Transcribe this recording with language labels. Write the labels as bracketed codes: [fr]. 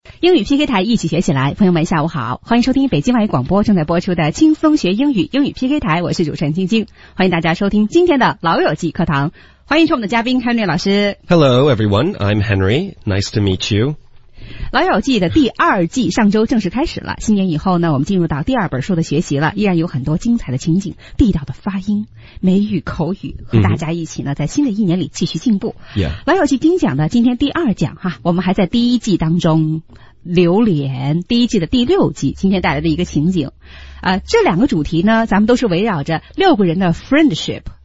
[zh] 英语 PK 台一起学起来，朋友们下午好，欢迎收听北京外语广播正在播出的轻松学英语英语 PK 台，我是主持人晶晶，欢迎大家收听今天的老友记课堂，欢迎出我们的嘉宾 Henry 老师。 [en] Hello everyone, I'm Henry, nice to meet you。 [zh] 老友记的第二季上周正式开始了，新年以后呢，我们进入到第二本书的学习了，依然有很多精彩的情景，地道的发音，美语口语，和大家一起呢，在新的一年里继续进步。 [en] Yeah. [zh] 老友记丁讲的今天第二讲哈，我们还在第一季当中，榴莲第一季的第六季，今天带来的一个情景，这两个主题呢，咱们都是围绕着六个人的 friendship。